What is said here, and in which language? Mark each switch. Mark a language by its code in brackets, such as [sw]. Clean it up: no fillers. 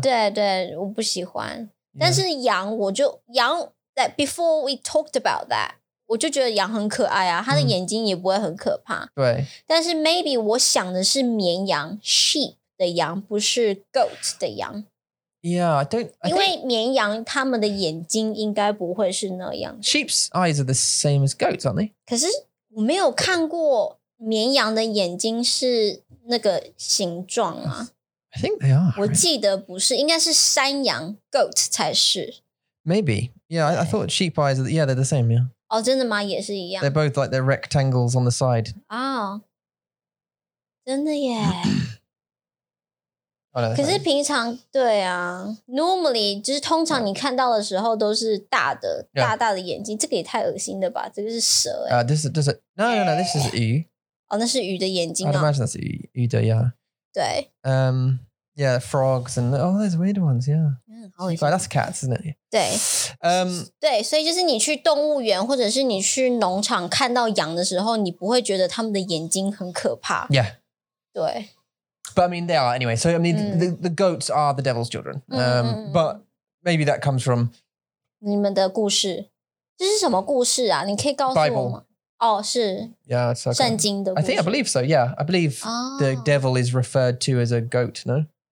[zh] 对对，我不喜欢。但是羊，我就羊 [en] that before we talked about that， [zh] 我就觉得羊很可爱啊，它的眼睛也不会很可怕。对。但是 maybe 我想的是绵羊 sheep。的羊不是 goat 的羊 [en] Yeah, I don't [zh] I 因为绵羊它们的眼睛应该不会是那样 [en] Sheep's eyes are the same as goats, aren't they? [zh] 可是我没有看过绵羊的眼睛是那个形状啊 [en] I think they are [zh] 我记得不是应该是山羊 goat 才是 [en] Maybe, yeah, I thought sheep eyes are, yeah, they're the same, yeah [zh] 哦、oh, 真的吗也是一样 [en] They're both like they're rectangles on the side [zh] 啊、oh, 真的耶可是平常对啊 ，normally 就是通常你看到的时候都是大的、yeah. 大大的眼睛，这个也太恶心了吧？这个是蛇哎、欸。 [en] This is this is 鱼。 [zh] 哦，那是鱼的眼睛啊。 [en] I'd imagine that's [zh] 鱼的呀。对。 [en] Yeah, frogs and oh, those weird ones, yeah. [zh] 嗯，好恶心。 [en] But that's cats, isn't it? [zh] 对。对，所以就是你去动物园或者是你去农场看到羊的时候，你不会觉得他们的眼睛很可怕。 [en] Yeah. [zh] 对。 [en] But I mean, they are anyway. So, I mean, the goats are the devil's children. But maybe that comes from... [zh] 你们的故事。这是什么故事啊?你可以告诉我吗? [en] Bible. [zh] 哦,是。 [en] Yeah, it's okay. [zh] 圣经的故事。 [en] I think, I believe so, yeah. I believe the devil is referred to as a goat, no?